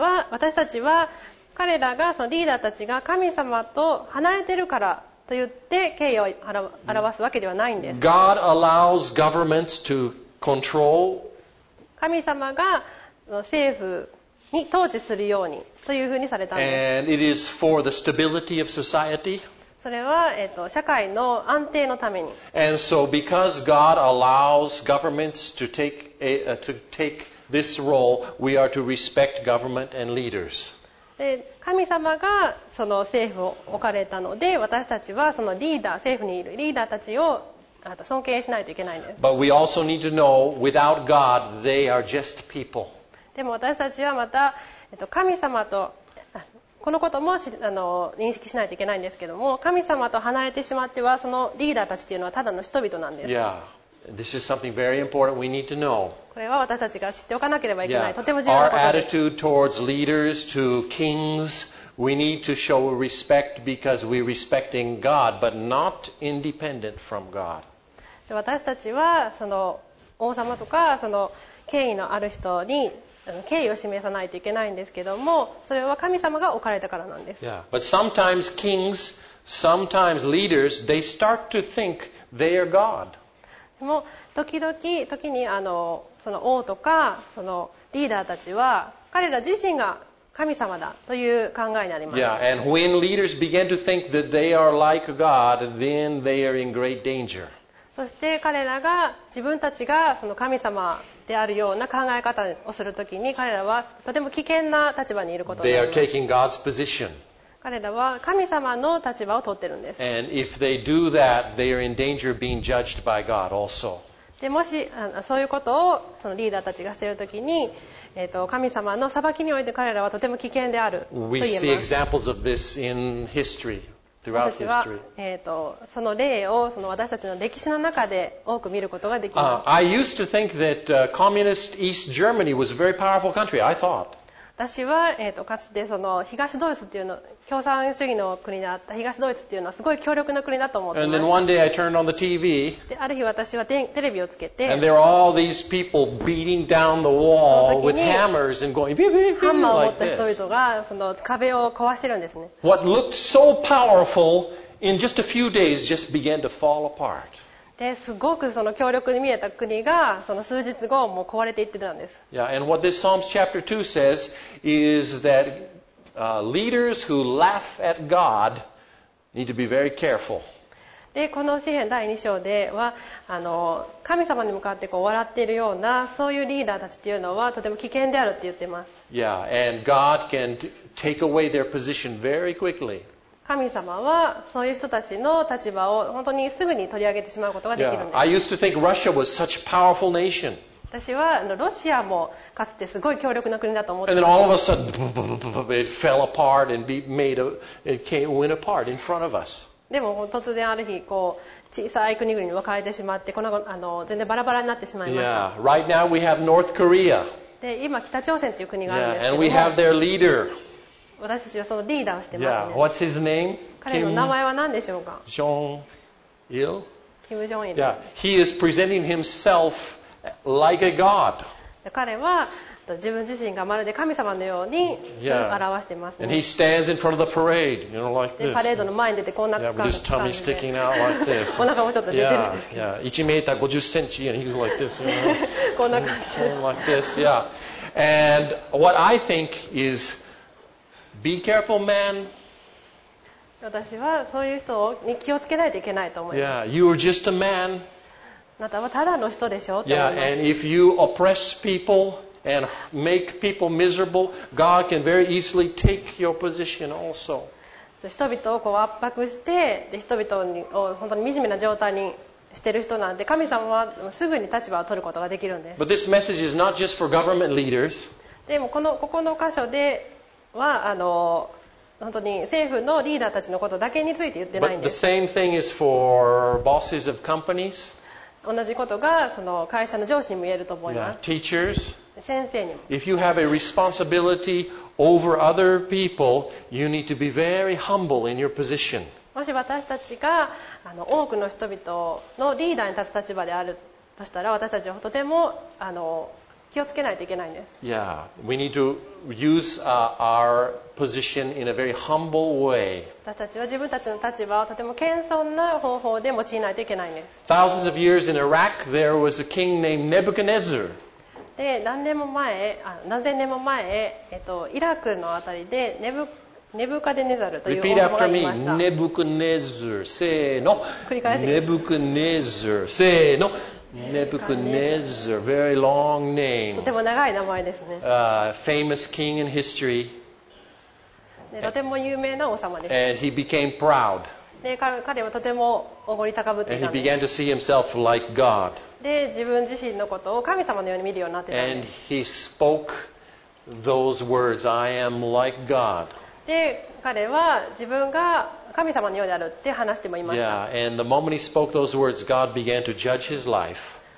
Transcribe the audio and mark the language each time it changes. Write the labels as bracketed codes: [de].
[ja] 私たちは彼らがそのリーダーたちが神様と離れているからと言って敬意を表すわけではないんです。 [en] God allows governments to control. [ja] 神様が政府に統治するようにというふうにされたんです。 [en] And it is for the stability of society. [ja] それは、社会の安定のために。 [en] And so because God allows governments to take, to take this role, we are to respect government and leaders. [ja] で神様がその政府を置かれたので私たちはそのリーダー政府にいるリーダーたちを尊敬しないといけないんです。 [en] But we also need to know without God they are just people. [ja] でも私たちはまた、神様とこのことも認識しないといけないんですけども神様と離れてしまってはそのリーダーたちというのはただの人々なんです。 [en] Yeah. This is something very important we need to know. [ja] これは私たちが知っておかなければいけない、 [en] yeah. [ja] とても重要なことです。 [en] Our attitude towards leaders to kings, we need to show respect because we're respecting God, but not independent from God. [ja] 私たちはその王様とかその権威のある人に敬意を示さないといけないんですけども、それは神様が置かれたからなんです。 [en] Yeah. But sometimes kings, sometimes leaders, they start to think they are God. [ja] でも時にその王とかそのリーダーたちは彼ら自身が神様だという考えになります。 [en] Yeah, and when leaders begin to think that they are like God, then they are in great danger. [ja] そして彼らが自分たちがその神様であるような考え方をするときに彼らはとても危険な立場にいることになります。 [en] They are taking God's position. [ja] 彼らは神様の立場を取ってるんです。 [en] And if they do that, they are in danger of being judged by God also. [ja] でもしそういうことをそのリーダーたちがしているときに、神様の裁きにおいて彼らはとても危険であると言えます。 [en] We see examples of this in history, throughout history. [ja] 私たちは、その例をその私たちの歴史の中で多く見ることができます。 [en] I used to think that, communist East Germany was a very powerful country, I thought. [ja] 私は、かつてその東ドイツっていうの共産主義の国だった東ドイツっていうのはすごい強力な国だと思ってました。 [en] TV, [ja] で、ある日私はテレビをつけて、 [en] and there are all these people beating down the wall with hammers and going beep beep beep like this. [ja] ハンマーを持った人々がその壁を壊してるんですね。 [en] What looked so powerful in just a few days just began to fall apart. [ja] ですごくその強力に見えた国がその数日後もう壊れていってたんです。 [en] Yeah, and what this Psalms chapter 2 says is that, leaders who laugh at God need to be very careful. [ja] で、この詩編第2章では神様に向かってこう笑っているようなそういうリーダーたちというのはとても危険であるって言ってます。 [en] Yeah, and God can take away their position very quickly. [ja] 神様はそういう人たちの立場を本当にすぐに取り上げてしまうことができるんです。 [en] Yeah, I used to think Russia was such a powerful nation. [ja] 私はロシアもかつてすごい強力な国だと思って。 [en] And then all of a sudden, it fell apart and made a, it came, went apart in front of us. [ja] でも突然ある日こう小さい国々に分かれてしまって、この全然バラバラになってしまいました。 [en] Yeah, right now we have North Korea. [ja] で今北朝鮮という国があるんですけども。 [en] Yeah, and we have their leader. [ja] 私たちはそのリーダーをしてますね。 [en] Yeah, what's his name? [ja] 彼の名前は何でしょうか。 [en] Jong-il. Kim Jong-il. Yeah, he is presenting himself. Like、a God. [ja] 彼は自分自身がまるで神様のように表していますね。 [en] Yeah. Parade, you know, like、 [ja] パレードの前に出てこんな感じで。 [en] Yeah, like、 [ja] お腹もちょっと出てる。 1メーター50センチ、 [en] and he's like this, you know? [ja] こんな感じで。 [en] Like this, yeah. And what I think is, be careful, man. [ja] 私はそういう人に気をつけないといけないと思います。 [en] Yeah, you're just a man. [ja] あなたはただの人でしょうと思います。 [en] Yeah, and if you oppress people and make people miserable, God can very easily take your position also. [ja] 人々をこう圧迫して、で人々を本当に惨めな状態にしている人なんで、神様はすぐに立場を取ることができるんです。 [en] But this message is not just for government leaders. [ja] でもこのここの箇所では本当に政府のリーダーたちのことだけについて言ってないんです。 [en] But the same thing is for bosses of companies. [ja] 同じことがその会社の上司にも言えると思います。 [en] Yeah, teachers, [ja] 先生にも。 [en] If you have a responsibility over other people, you need to be very humble in your position. [ja] もし私たちが多くの人々のリーダーに立つ立場であるとしたら、私たちはとても気をつけないといけないんです。 [en] Yeah, we need to use our position in a very humble way. [ja] 私たちは自分たちの立場をとても謙遜な方法で用いないといけないんです。 [en] Thousands of years in Iraq, there was a king named Nebuchadnezzar. [ja] で、何千年も前、イラクのあたりでネブカデネザルという王様がいました。 [en] Repeat after me. Nebuchadnezzar. [ja] せーの。繰り返して。 [en] Nebuchadnezzar. [ja] せーの。 [en] Nebuchadnezzar, very long name. [ja] とても長い名前ですね。 [en] Famous king in history. [ja] とても有名な王様です。 [en] And he became proud. [ja] で、彼はとてもおごり高ぶっていたんです。 [en] And he began to see himself like God. [ja] で、自分自身のことを神様のように見るようになってたんです。 [en] And he spoke those words, I am like God. [ja] で、彼は自分が神様のようであるって話してもいました。 [en] Yeah, and the moment he spoke those words, God began to judge his life.